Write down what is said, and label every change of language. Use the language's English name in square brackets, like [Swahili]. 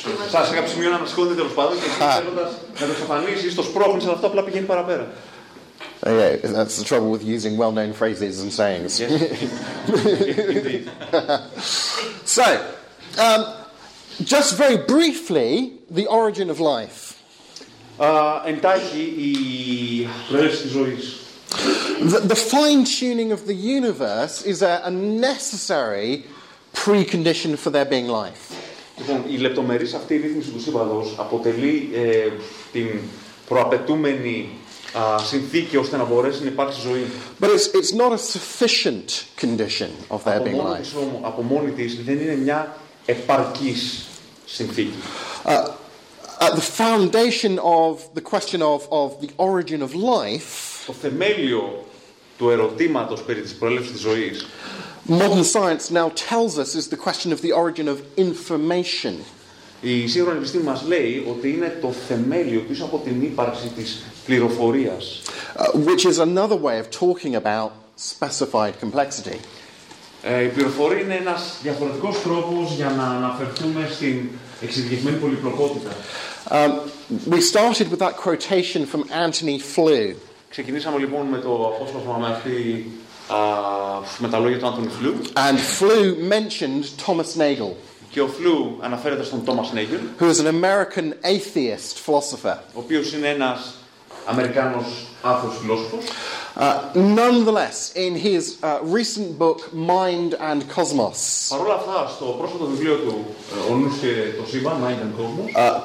[Greek] Σα σε κάποιο σημείο να ανασκώνεται τέλος πάντων και θέλοντας να το εξαφανίσει, το σπρώχνει, αλλά αυτό απλά πηγαίνει παραπέρα. [English] Yeah, that's the trouble with using well-known phrases and sayings. Yes. So, just very briefly, the origin of life. [Greek] Εντάχει η πρόοδος της ζωής. [English] The fine-tuning of the universe is a necessary precondition for there being life. [Greek] Λοιπόν, η λεπτομερής αυτή η ρύθμιση του σύμπαντος αποτελεί την προαπαιτούμενη συνθήκη ώστε να μπορέσει να υπάρξει ζωή. [English] But it's not a sufficient condition of there being life. [Greek] Από μόνη της δεν είναι μια επαρκής συνθήκη. [English] At the foundation of the question of the origin of life. [Greek] Το θεμέλιο του ερωτήματος περί της προέλευσης της ζωής. [English] Modern science now tells us is the question of the origin of information. [Greek] Η σύγχρονη επιστήμη μας λέει ότι είναι το θεμέλιο πίσω από την ύπαρξη της πληροφορίας. [English] Which is another way of talking about specified complexity. [Greek] Η πληροφορία είναι ένας διαφορετικός τρόπος για να αναφερθούμε στην εξειδικευμένη πολυπλοκότητα. [English] We started with that quotation from Anthony Flew. [Greek] Ξεκινήσαμε λοιπόν με το απόσπασμα με αυτή με τα λόγια του Anthony Flew. [English] And Flew mentioned Thomas Nagel. [Greek] Και ο Flew αναφέρεται στον Thomas Nagel, [English] who is an American atheist philosopher. [Greek] Ο οποίος είναι ένας Αμερικάνος άθεος φιλόσοφος. [English] Nonetheless, in his recent book Mind and Cosmos, [Greek] παρόλα αυτά, στο πρόσφατο βιβλίο του Ο Νους και το Σύμπαν, Mind and Cosmos,